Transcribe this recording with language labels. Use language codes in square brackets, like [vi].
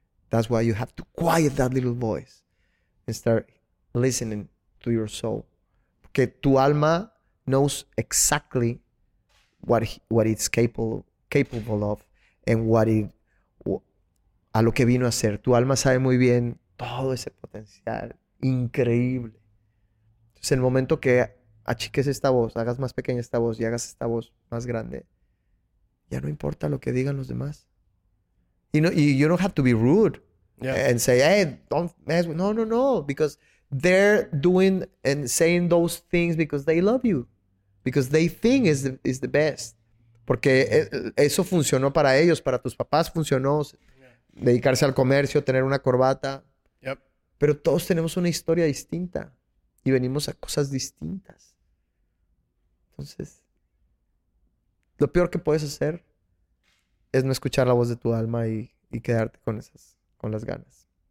[en] That's why you have to quiet that little voice and start listening to your soul. [es] Porque tu alma [en] knows exactly what it's capable of and what it, [es] a lo que vino a ser. Tu alma sabe muy bien todo ese potencial increíble. Entonces, en el momento que achiques esta voz, hagas más pequeña esta voz y hagas esta voz más grande, ya no importa lo que digan los demás. [en] You know, you don't have to be rude, yeah, and say, hey, don't mess with... No, because they're doing and saying those things because they love you, because they think is the best. [es] Porque eso funcionó para ellos, para tus papás funcionó. Dedicarse al comercio, tener una corbata. [en] Yep. [es] Pero todos tenemos una historia distinta y venimos a cosas distintas. Entonces, lo peor que puedes hacer es no escuchar la voz de tu alma y quedarte con las ganas.